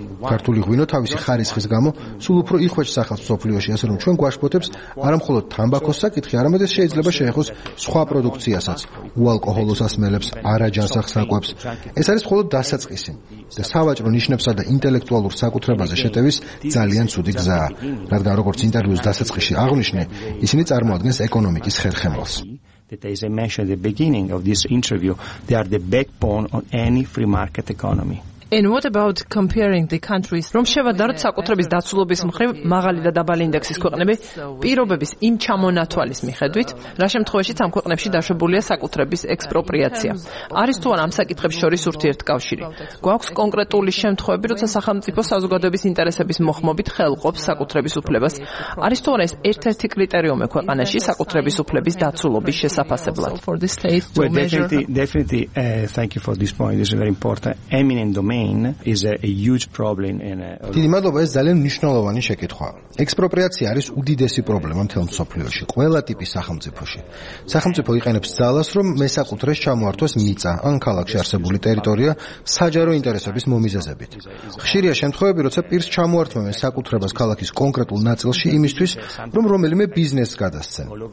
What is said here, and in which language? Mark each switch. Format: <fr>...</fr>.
<ka>ქართული ღვინო თავისი ხარისხის გამო სულ უფრო იხვეჭს სახელს მსოფლიოში, ასე რომ ჩვენ გვაშფოთებს არამხოლოდ თამბაქოს საკითხი, არამედ ეს შეიძლება შეეხოს სხვა პროდუქციასაც, უალკოჰოლოს ასმელებს, არაჯანს ახსაკვებს. ეს არის მხოლოდ დასაწყისი და სავაჭრო ნიშნებსა და ინტელექტუალურ საკუთრებაზე შეტევის ძალიან ცუდი გზა, რადგან როგორც ინტერვიუს დასაწყისში აღნიშნე, ისინი წარმოადგენს ეკონომიკის ხერხემალს.</ka> <en>That is a mention at the beginning of this interview, they are the backbone on any free market economy. And what about comparing the countries?</en> <ka>რომ შევადაროთ საკუთრების დაცულობის მხრივ მაღალი და დაბალი ინდექსის ქვეყნები პირობების იმ ჩამონათვალის მიხედვით, რა შემთხვევაშიც ამ ქვეყნებში დაშვებულია საკუთრების ექსპროპრიაცია. არის თუ არა ამ საკითხებს შორის ურთიერთკავშირი? გვაქვს კონკრეტული შემთხვევები, როცა სახელმწიფო საზოგადოების ინტერესების მოხმობით ხელყოფს საკუთრების უფლებას? არის თუ არა ეს ერთ-ერთი კრიტერიუმი ქვეყანაში საკუთრების უფლების დაცულობის შესაფასებლად?</ka> <en>Definitely, thank you for this point. This is very important. Eminent domain. domain is a huge problem in a</en> <ka>დიდი მადლობა, ეს ძალიან მნიშვნელოვანი შეკითხვაა. ექსპროპრიაცია არის უდიდესი პრობლემა მთელ მსოფლიოში, ყველა ტიპის სახელმწიფოში. სახელმწიფო იყენებს ძალას, რომ მესაკუთრეს ჩამოართვას მიწა ან ქალაქში არსებული ტერიტორია საჯარო ინტერესების მომიზეზებით. ხშირია შემთხვევები, როცა პირს ჩამოართმევენ საკუთრებას ქალაქის კონკრეტულ ნაწილში იმისთვის, რომ რომელიმე ბიზნესს გადასცენ.</ka>